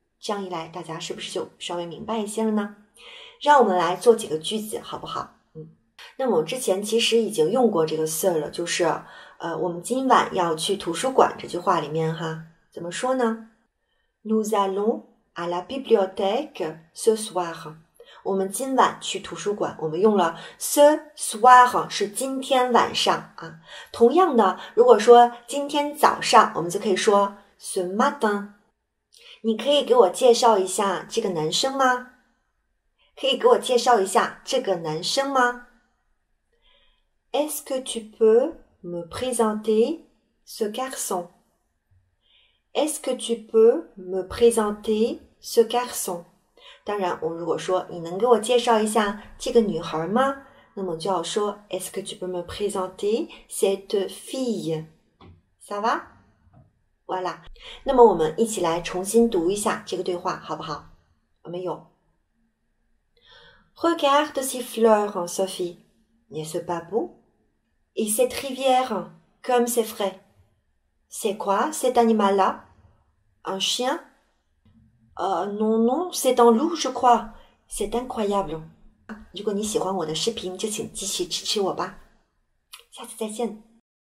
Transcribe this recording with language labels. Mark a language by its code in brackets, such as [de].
[zh] 这样一来，大家是不是就稍微明白一些了呢？让我们来做几个句子，好不好？那么我之前其实已经用过这个 se 了，就是我们今晚要去图书馆这句话里面哈，怎么说呢 ？ [fr] Nous allons。 À la bibliothèque ce soir， [zh] 我们今晚去图书馆。我们用了 ce soir 是今天晚上啊。同样的，如果说今天早上，我们就可以说 ce matin。你可以给我介绍一下这个男生吗？可以给我介绍一下这个男生吗 [fr] Est-ce que tu peux me présenter ce garçon? Est-ce que tu peux me présenter ce garçon? [zh] 当然，我如果说你能给我介绍一下这个女孩吗？那么就要说 [fr] Est-ce que tu peux me présenter cette fille? Ça va? Voilà。 [zh] 那么我们一起来重新读一下这个对话，好不好？我们有。 [fr] Regarde ces fleurs, Sophie. N'est-ce pas beau? Et cette rivière, comme c'est frais. C'est quoi cet animal-là? Un chien? Non, non, c'est un loup, je crois. C'est incroyable. [zh] 如果你喜欢我的视频，就请继续支持我吧。下次再见。